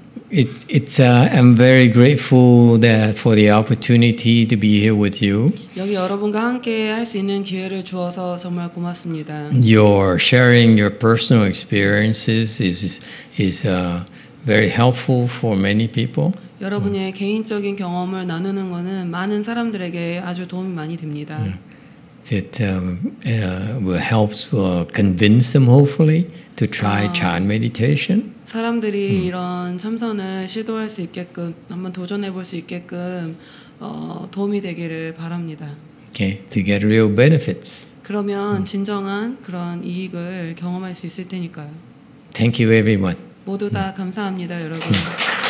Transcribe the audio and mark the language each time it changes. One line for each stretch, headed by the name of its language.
English: I'm very grateful that for the opportunity to be here with you.
Korean: 여기 여러분과 함께 할 수 있는 기회를 주어서 정말 고맙습니다.
English: Your sharing your personal experiences is very helpful for many people.
Korean: 여러분의 개인적인 경험을 나누는 것은 많은 사람들에게 아주 도움이 많이 됩니다.
English: That will help convince them hopefully to try chan meditation.
Korean: 사람들이 이런 참선을 시도할 수 있게끔 한번 도전해 볼 수 있게끔 도움이 되기를 바랍니다.
English: Okay, to get real benefits.
Korean: 그러면 진정한 그런 이익을 경험할 수 있을 테니까요.
English: Thank you, everyone.
Korean: 모두 다 감사합니다, 여러분.